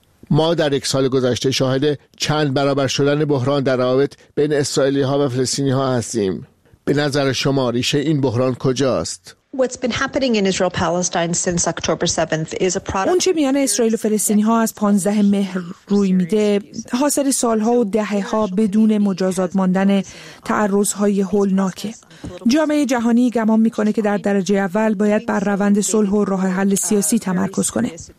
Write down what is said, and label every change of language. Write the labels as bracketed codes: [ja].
[fa] ما در یک سال گذشته شاهد چند برابر شدن بحران در روابط بین اسرائیلی‌ها و فلسطینی‌ها هستیم. به نظر شما ریشه این بحران کجاست؟ [en] What's been happening in Israel-Palestine since October 7th is a product. [fa] اون چه میان اسرائیل و فلسطینی‌ها از 15 مهر روی میده، حاصل سال‌ها و دهه‌ها بدون مجازات ماندن تعرض‌های هولناکه. جامعه جهانی گمان می‌کنه که در درجه اول باید بر روند صلح و راه حل سیاسی تمرکز کنه.